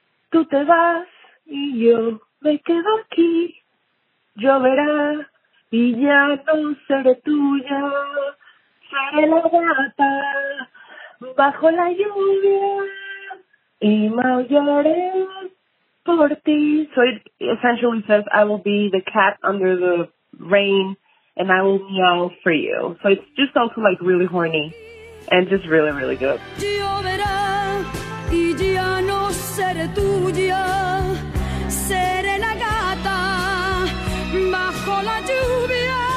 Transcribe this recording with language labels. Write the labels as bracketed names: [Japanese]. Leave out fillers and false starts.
[Spanish] Tú te vas y yo me quedo aquí. Lloverá. Y ya no seré tuya, seré la gata bajo la lluvia y maullaré por ti. [English] So it essentially says, I will be the cat under the rain and I will meow for you. So it's just also like really horny and just really, really good. [Spanish] Lloverá y ya no seré tuya, seré la gata bajo la lluvia.